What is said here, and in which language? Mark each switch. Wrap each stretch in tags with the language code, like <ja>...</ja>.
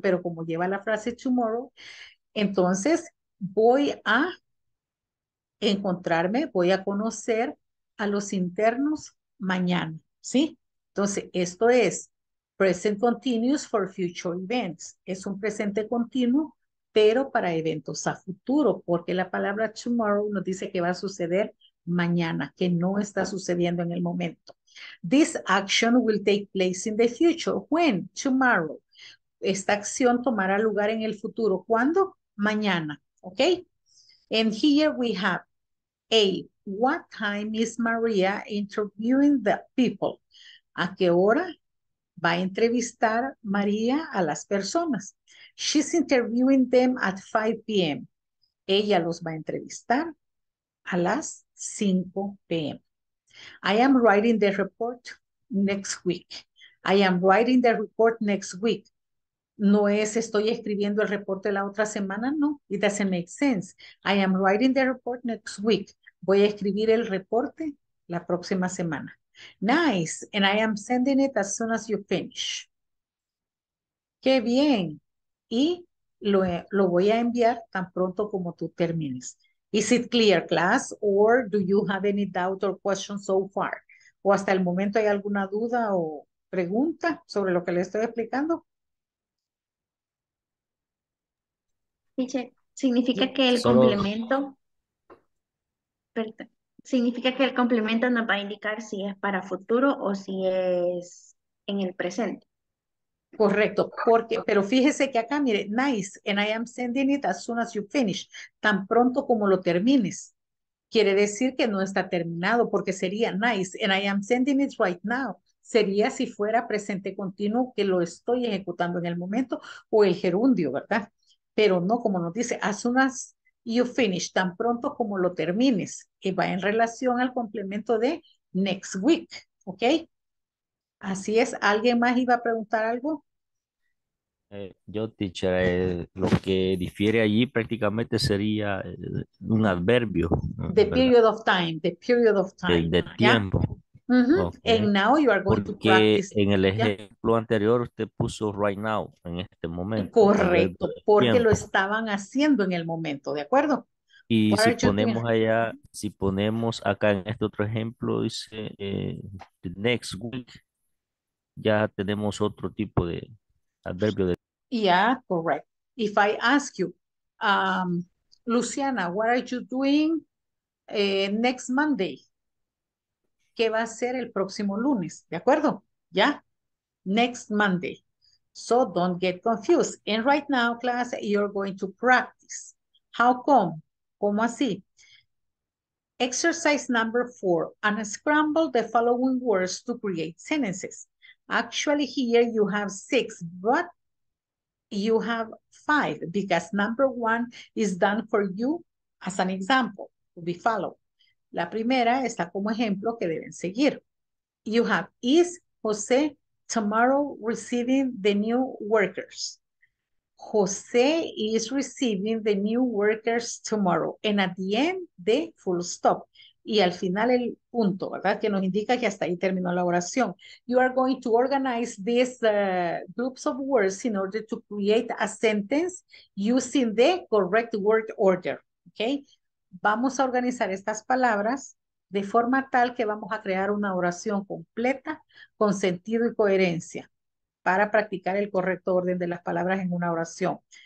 <es>Pero como lleva la frase tomorrow, entonces voy a encontrarme, voy a conocer a los internos mañana, ¿sí? Entonces, esto es</es> <en>present continuous for future events.</en> <es>Es un presente continuo, pero para eventos a futuro, porque la palabra tomorrow nos dice que va a suceder mañana, que no está sucediendo en el momento.</es> <en>This action will take place in the future. When? Tomorrow.</en> <es>Esta acción tomará lugar en el futuro. ¿Cuándo? Mañana, ¿ok?</es> <en>And here we have A, what time is Maria interviewing the people?</en> <es>¿A qué hora va a entrevistar María a las personas?</es> <en>She's interviewing them at 5 p.m.</en> <es>Ella los va a entrevistar a las 5 p.m.</es> <en>I am writing the report next week. I am writing the report next week.</en> <es>No es estoy escribiendo el reporte la otra semana, no.</es> <en>It doesn't make sense. I am writing the report next week.</en> <es>Voy a escribir el reporte la próxima semana.</es> <en>Nice. And I am sending it as soon as you finish.</en> <es>Qué bien. Y lo voy a enviar tan pronto como tú termines.</es> <en>Is it clear, class? Or do you have any doubt or question so far?</en> <es>¿O hasta el momento hay alguna duda o pregunta sobre lo que le estoy explicando? Significa que el complemento, significa que el complemento nos va a indicar si es para futuro o si es en el presente. Correcto, porque, pero fíjese que acá, mire,</es> <en>nice, and I am sending it as soon as you finish,</en> <es>tan pronto como lo termines. Quiere decir que no está terminado, porque sería</es> <en>nice, and I am sending it right now.</en> <es>Sería si fuera presente continuo, que lo estoy ejecutando en el momento, o el gerundio, ¿verdad? Pero no, como nos dice,</es> <en>as soon as you finish,</en> <es>tan pronto como lo termines, que va en relación al complemento de next week, ¿ok? Así es, ¿alguien más iba a preguntar algo? Yo, teacher, lo que difiere allí prácticamente sería un adverbio.</es> <en>The period of time, the period of time.</en> <es>De tiempo.</es> <en>Uh-huh. Okay. And now you are going</en> <es>porque</es> <en>to practice.</en> <es>En el ejemplo ¿ya? Anterior usted puso right now, en este momento. Correcto, porque lo estaban haciendo en el momento, ¿de acuerdo? Y si ponemos allá, si ponemos acá en este otro ejemplo, dice next week, ya tenemos otro tipo de adverbio. De...</es> <en>Yeah, correct. If I ask you, Luciana, what are you doing next Monday?</en> <es>¿Qué va a ser el próximo lunes? ¿De acuerdo? ¿Ya?</es> <en>Next Monday. So don't get confused. And right now, class, you're going to practice. How come?</en> <es>¿Cómo así?</es> <en>Exercise number 4. Unscramble the following words to create sentences. Actually, here you have 6, but you have 5 because number 1 is done for you as an example to be followed.</en> <es>La primera está como ejemplo que deben seguir.</es> <en>You have, is José tomorrow receiving the new workers? José is receiving the new workers tomorrow. And at the end, the full stop.</en> <es>Y al final el punto, ¿verdad? Que nos indica que hasta ahí terminó la oración.</es> <en>You are going to organize these groups of words in order to create a sentence using the correct word order, okay?</en> <es>Vamos a organizar estas palabras de forma tal que vamos a crear una oración completa con sentido y coherencia para practicar el correcto orden de las palabras en una oración.</es>